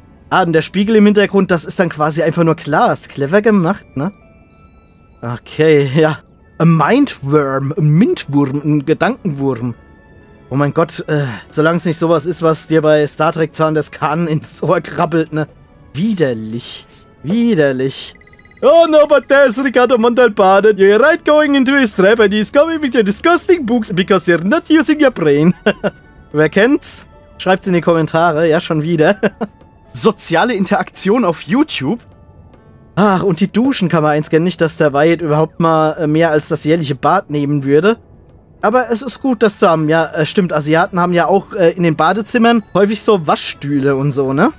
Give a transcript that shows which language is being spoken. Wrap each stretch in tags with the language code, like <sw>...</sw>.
<de>Ah, und der Spiegel im Hintergrund, das ist dann quasi einfach nur Glas. Clever gemacht, ne? Okay, ja. A Mindworm, ein Mindwurm, ein Gedankenwurm. Oh mein Gott, solange es nicht sowas ist, was dir bei Star Trek Zahn des Kahn ins Ohr krabbelt, ne? Widerlich, widerlich.</de> <en>Oh no, but that's Ricardo Montalbano. You're right going into his trap and he's coming with your disgusting books because you're not using your brain.</en> <de>Wer kennt's? Schreibt's in die Kommentare. Ja, schon wieder. Soziale Interaktion auf YouTube? Ach, und die Duschen kann man einscannen. Nicht, dass der Wyatt überhaupt mal mehr als das jährliche Bad nehmen würde. Aber es ist gut, dass du haben. Ja, stimmt, Asiaten haben ja auch in den Badezimmern häufig so Waschstühle und so, ne?</de>